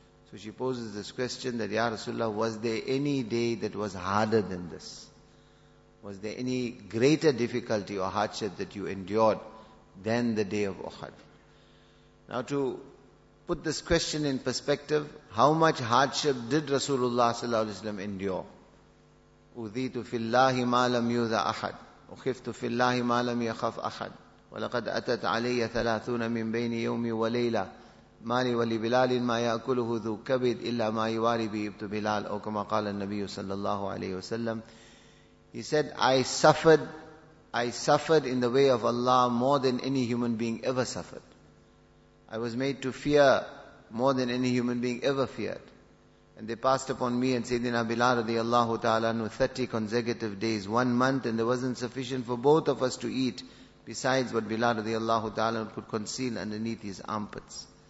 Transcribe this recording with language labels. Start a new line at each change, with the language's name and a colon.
English: So she poses this question that, Ya Rasulullah, was there any day that was harder than this? Was there any greater difficulty or hardship that you endured than the day of Uhud? Now to put this question in perspective, how much hardship did Rasulullah sallallahu alaihi wasallam endure?
Arabic: Udhitu fillahi ma lam yudha ahad. أخفت في الله ما لم يخف أحد ولقد أتت علي ثلاثون من بين يومي وليلة مالي ولبلال ما يأكله ذو كبد إلا ما يواري به ابت بلال أو كما قال النبي صلى الله عليه وسلم.
English: He said, I suffered in the way of Allah more than any human being ever suffered. I was made to fear more than any human being ever feared. And they passed upon me and Sayyidina Bilal radiallahu ta'ala 30 consecutive days, 1 month, and there wasn't sufficient for both of us to eat besides what Bilal radiallahu ta'ala could conceal underneath his armpits.